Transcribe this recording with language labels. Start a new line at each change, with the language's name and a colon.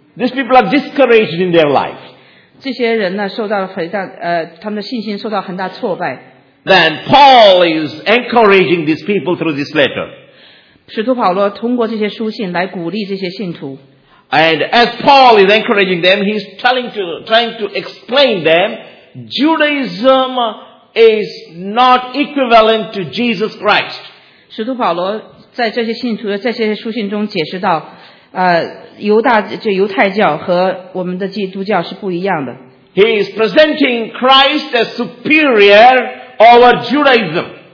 English: These people are discouraged in their life.
Chinese: 这些人呢，受到了很大，他们的信心受到很大挫败。
English: Then Paul is encouraging these people through this letter.
Chinese: 使徒保罗通过这些书信来鼓励这些信徒。
English: And as Paul is encouraging them, he's trying to explain them, Judaism is not equivalent to Jesus Christ.
Chinese: 使徒保罗在这些信徒的这些书信中解释到， 犹太教和我们的基督教是不一样的。
English: He is presenting Christ as superior over Judaism.